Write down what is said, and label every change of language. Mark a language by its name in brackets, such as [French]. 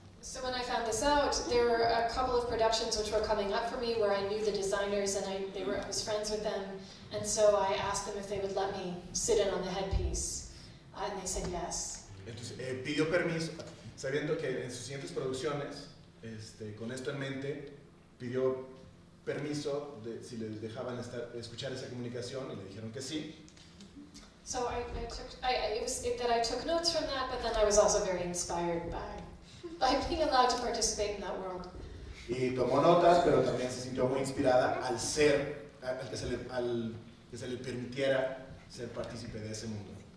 [English] So when I found this out, there were a couple of productions which were coming up for me where I knew the designers and I was friends with them, and so I asked them if they would let me sit in on the headpiece, and they said yes. [Spanish] Entonces, pidió permiso, sabiendo que en sus siguientes producciones, este, con esto en mente, pidió permiso de si les dejaban estar, escuchar esa comunicación, y le dijeron que sí. [English] So I took notes from that, but then I was also very inspired by being allowed to participate in that world. [Spanish] Y tomó notas, pero también se sintió muy inspirada al ser, al que se le permitiera ser partícipe de ese mundo.